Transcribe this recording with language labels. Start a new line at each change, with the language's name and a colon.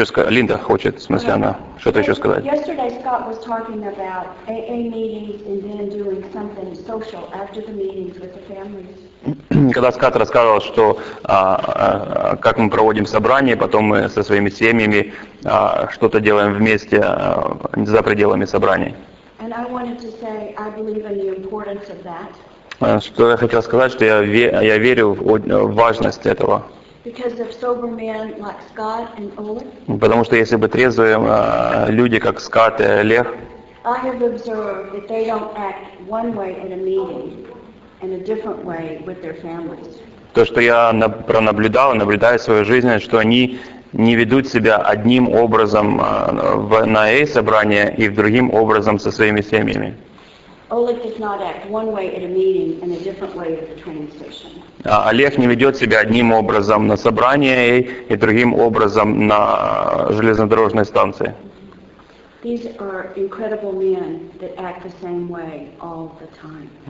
Russian: Линда хочет, в смысле, okay. Она что-то еще сказать.
English: Yesterday Scott was talking about AA meetings and then doing something social after the meetings with the families.
Russian: Когда Скат рассказывал, что как мы проводим собрание, потом мы со своими семьями что-то делаем вместе за пределами собраний.
English: And I wanted to say, I believe in the importance of that.
Russian: Что я хотел сказать, что я верю в важность этого.
English: Because of sober men like Scott and Oleg.
Russian: Потому что если бы трезвые люди, как Скат и Олег,
English: I have observed that they don't act one way in a meeting. In a different way with their families.
Russian: То, что я пронаблюдал, наблюдаю в своей жизни, что они не ведут себя одним образом на собрании и другим образом со своими семьями.
English: Oleg does not act one way at a meeting and a different way at the training station.
Russian: Олег не ведет себя одним образом на собрании и другим образом на железнодорожной станции.
English: These are incredible men that act the same way all the time.